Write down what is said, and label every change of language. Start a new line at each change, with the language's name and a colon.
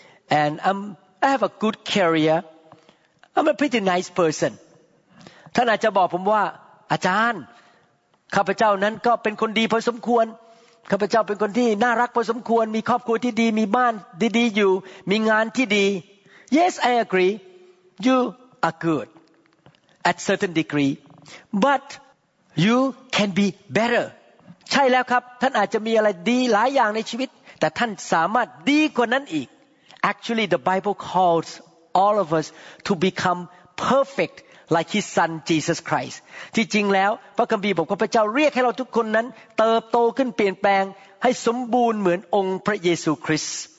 English: And I have a good career. I'm a pretty nice person.
Thai: ท่านอาจจะบอกผมว่าอาจารย์ข้าพเจ้านั้นก็เป็นคนดีพอสมควรข้าพเจ้าเป็นคนที่น่ารักพอสมควรมีครอบครัวที่ดีมีบ้านดีๆอยู่มีงานที่ดี
English: Yes, I agree. You are good at certain degreeBut you can be better.
Thai: ใช่แล้วครับท่านอาจจะมีอะไรดีหลายอย่างในชีวิตแต่ท่านสามารถดีกว่านั้นอีก
English: Actually, the Bible calls all of us to become perfect like His Son Jesus Christ.
Thai: ที่จริงแล้วพระคัมภีร์บอกว่าพระเจ้าเรียกให้เราทุกคนนั้นเติบโตขึ้นเปลี่ยนแปลงให้สมบูรณ์เหมือนองค์พระเยซูคริสต์